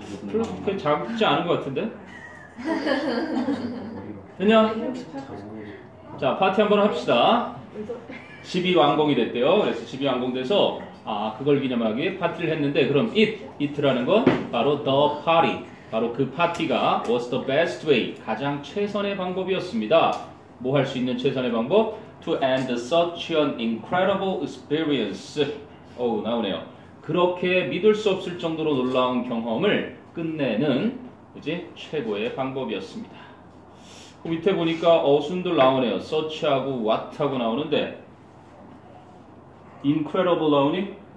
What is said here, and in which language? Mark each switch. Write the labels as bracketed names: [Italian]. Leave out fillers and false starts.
[Korean] 그렇게 작지 않은 것 같은데? 안녕. 자, 파티 한번 합시다. 집이 완공이 됐대요. 그래서 집이 완공돼서 아, 그걸 기념하기 파티를 했는데 그럼 it라는 건 바로 the party. 바로 그 파티가 was the best way. 가장 최선의 방법이었습니다. 뭐 할 수 있는 최선의 방법? [English] To end such an incredible experience. [Korean] 오, 나오네요. 그렇게 믿을 수 없을 정도로 놀라운 경험을 끝내는 그지? 최고의 방법이었습니다. 그 밑에 보니까 어순들 나오네요. Such하고 what하고 나오는데 incredible 나오니?